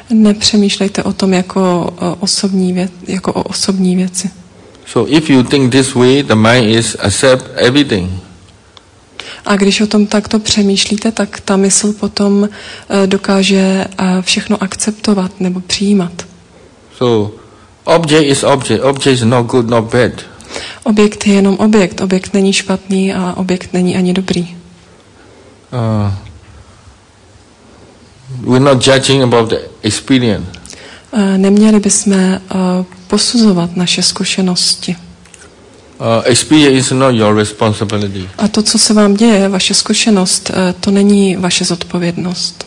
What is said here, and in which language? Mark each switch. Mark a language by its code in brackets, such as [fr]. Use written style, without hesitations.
[cs] Nepřemýšlejte o tom jako osobní věc, jako o osobní věci. [en] So if you think this way, the mind is accept everything. [cs] A když o tom takto přemýšlíte, tak ta mysl potom dokáže všechno akceptovat nebo přijímat. [en] So object is object. Object is not good, not bad. [cs] Objekt je jenom objekt. Objekt není špatný a objekt není ani dobrý. [en] We're not judging about the experience. [cs] Neměli bychom posuzovat naše zkušenosti. [en] Experience is not your responsibility. [cs] A to, co se vám děje, vaše zkušenost, to není vaše zodpovědnost.